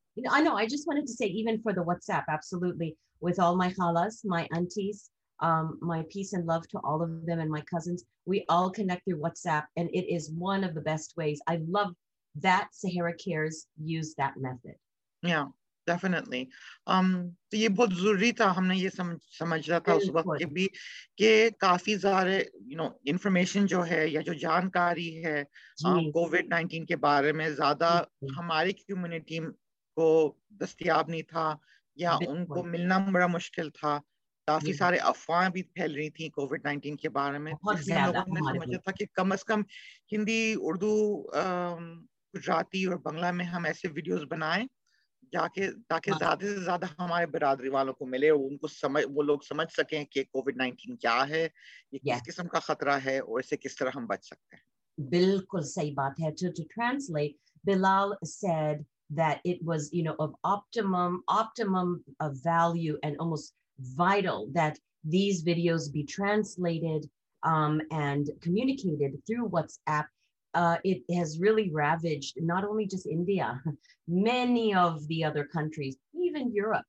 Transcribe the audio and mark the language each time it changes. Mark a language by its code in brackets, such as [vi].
[en] You know, I know. I just wanted to say, even for the WhatsApp, absolutely, with all my halas, my aunties, my peace and love to all of them and my cousins. We all connect through WhatsApp, and it is one of the best ways. I love that Sahara Cares use that method. Yeah, definitely. [hi] तो ये बहुत ज़रूरी था, हमने ये समझा था उस वक्त के भी कि काफी सारे [en] you know [hi] information जो है या जो जानकारी है COVID-19 के बारे में ज़्यादा हमारी community को दस्तयाब नहीं था या उनको मिलना बड़ा मुश्किल था. काफी सारे अफवाहें भी फैल रही थी COVID-19 के बारे में. लोगों ने समझा था कि कम से कम हिंदी, उर्दू, गुजराती और बंगला में हम ऐसे वीडियोस बनाएं जाके ताकि ज्यादा से ज्यादा हमारे बिरादरी वालों को मिले, उनको समझ, वो लोग समझ सकें कि COVID-19 क्या है, ये किस किस्म का खतरा है और इसे किस तरह हम बच सकते हैं. बिल्कुल सही बात है. [en] To translate, Bilal said that it was, you know, of optimum value and almost vital that these videos be translated and communicated through WhatsApp. It has really ravaged not only just India, many of the other countries, even Europe.